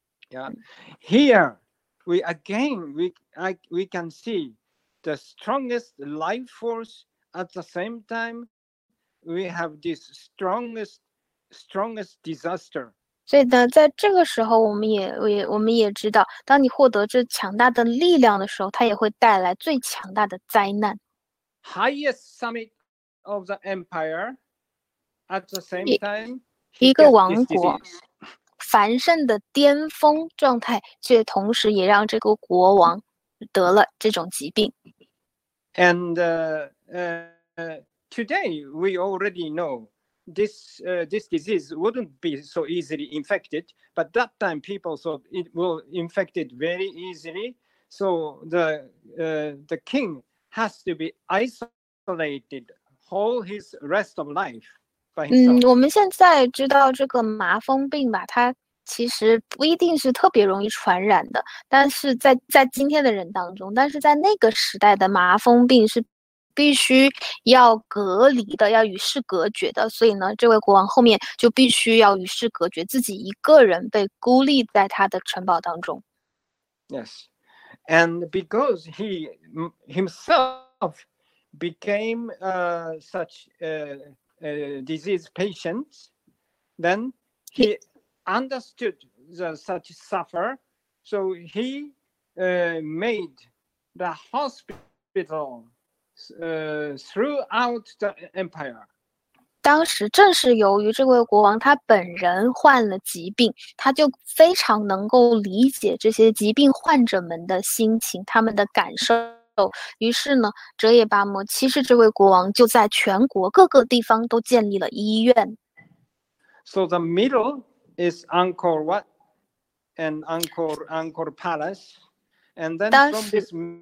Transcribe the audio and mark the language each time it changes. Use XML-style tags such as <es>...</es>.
<zh>Yeah, here we again we can see the strongest life force at the same time we have this strongest disaster. 所以呢，在这个时候，我们也知道，当你获得这强大的力量的时候，它也会带来最强大的灾难。</zh> <en>Highest summit of the empire at the same time.</en> <zh>一个王国繁盛的巅峰状态，却同时也让这个国王得了这种疾病。</zh> <en>And today we already know. This disease wouldn't be so easily infected, but that time people thought it will infect it very easily. So the king has to be isolated all his rest of life by himself.</en> <zh>我们现在知道这个麻风病吧，它其实不一定是特别容易传染的，但是在今天的人当中，但是在那个时代的麻风病是。必须要隔离的，要与世隔绝的，所以呢，这位国王后面就必须要与世隔绝，自己一个人被孤立在他的城堡当中。</zh> <en>Yes, and because he himself became such a disease patient, then he understood the such suffer, so he made the hospital. Throughout the empire,</en> <zh>当时正是由于这位国王他本人患了疾病，他就非常能够理解这些疾病患者们的心情，他们的感受。于是呢，哲也巴摩其实这位国王就在全国各个地方都建立了医院。</zh> <en>So the middle is Angkor Wat and Angkor Palace, and then from this.</en>